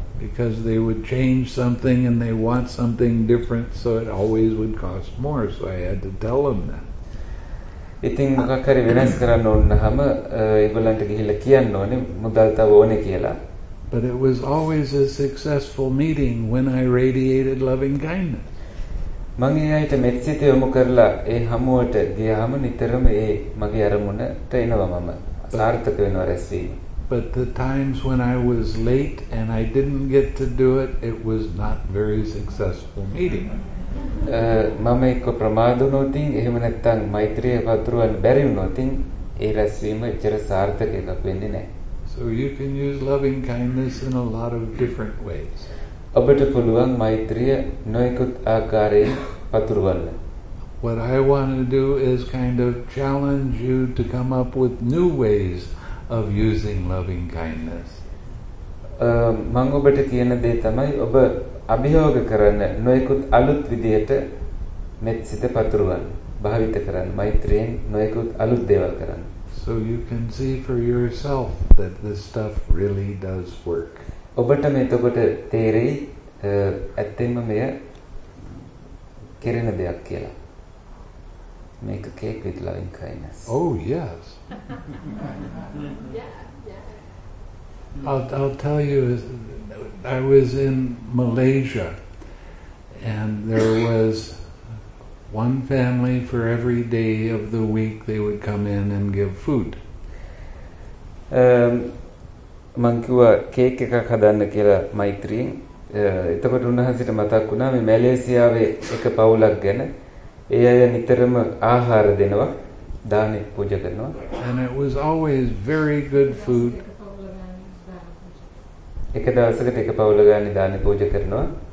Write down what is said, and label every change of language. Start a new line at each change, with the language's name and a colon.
English: Because they would change something and they want something different so it always would cost more so I had to tell them that.
Sinhala: ඉතින් මොකක් හරි වෙනස් කරන්න ඕනනම් ඒගොල්ලන්ට ගිහිල්ලා කියන්න ඕනේ මුදල් තව ඕනේ කියලා.
English: But it was always a successful meeting when I radiated loving kindness.
Sinhala: මම ඒ ඇයිට මෙත් සිත යොමු කරලා ඒ හමුවට ගියාම නිතරම ඒ මගේ අරමුණට එනවා මම සාර්ථක වෙනවා රැස්වීම.
English: But the times when I was late and I didn't get to do it, it was not very successful meeting.
Sinhala: මම එක්ක ප්‍රමාද වුණොතින් එහෙම නැත්නම් මෛත්‍රිය වතුරවල් බැරි වුණොතින් ඒ රැස්වීම එච්චර සාර්ථක එකක් වෙන්නේ නැහැ.
English: So you can use loving kindness in a lot of different ways.
Sinhala: ඔබට පුළුවන් මෛත්‍රිය නොයෙකුත් ආකාරයෙන් පතුරවන්න.
English: What I want to do is kind of challenge you to come up with new ways of using loving kindness.
Sinhala: මම ඔබට කියන දේ තමයි ඔබ අභියෝග කරන නොයෙකුත් අලුත් විදියට මෙත් සිත පතුරවන්න. භාවිත කරන්න මෛත්‍රියෙන් නොයෙකුත් අලුත් දේවල් කරන්න.
English: So you can see for yourself that this stuff really does work.
Sinhala: ඔබට මේකට තේරෙයි ඇත්තෙන්ම මෙය කෙරෙන දෙයක් කියලා.
English: make a cake with loving kindness. Oh, yes. I'll tell you, I was in Malaysia, and there was one family for every day of the week they would come in and give food.
Sinhala: මං කිව්වා cake එකක් හදන්න කියලා මෛත්‍රියෙන්. එතකොට උන්වහන්සේට මතක් වුණා මේ මැලේසියාවේ එක පවුලක් ගැන. ඒ අය නිතරම ආහාර දෙනවා, දානි පූජ කරනවා.
English: And it was always very good food.
Sinhala: එක දවසකට එක පවුල ගන්න දානි පූජ කරනවා.